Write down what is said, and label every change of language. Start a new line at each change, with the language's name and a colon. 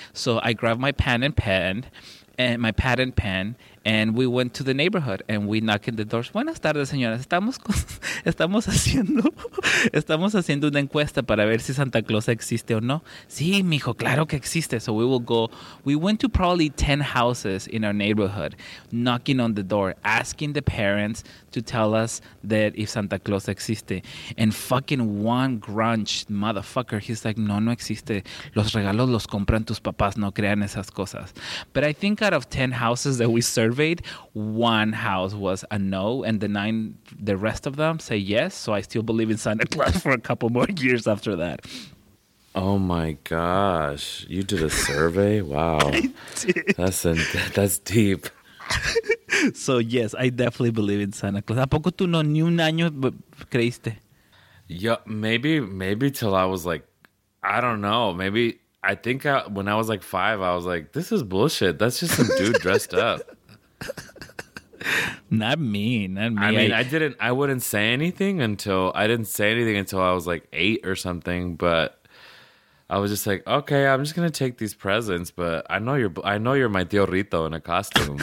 English: So I grabbed my pad and pen, and we went to the neighborhood, and we knocked in the doors.
Spanish: Buenas tardes, señoras. Estamos haciendo una encuesta para ver si Santa Claus existe o no. Sí, mijo, claro que existe. So we will go.
English: We went to probably 10 houses in our neighborhood, knocking on the door, asking the parents to tell us that if Santa Claus existe. And fucking one grunge motherfucker, he's like, no, no existe. Los regalos los compran tus papás. No crean esas cosas. But I think out of 10 houses that we surveyed, one house was a no, and the rest of them say yes. So I still believe in Santa Claus for a couple more years after that. Oh my gosh, you did a survey? Wow. That's deep. So yes, I definitely believe in Santa Claus.
Spanish: ¿A poco tú no ni un año creíste?
English: Yeah, maybe till I was like, I don't know, maybe I think when I was like 5, I was like, this is bullshit. That's just some dude dressed up. Not me. I didn't say anything until I was like 8 or something, but I was just like, okay, I'm just going to take these presents, but I know you're my tío Rito in a costume.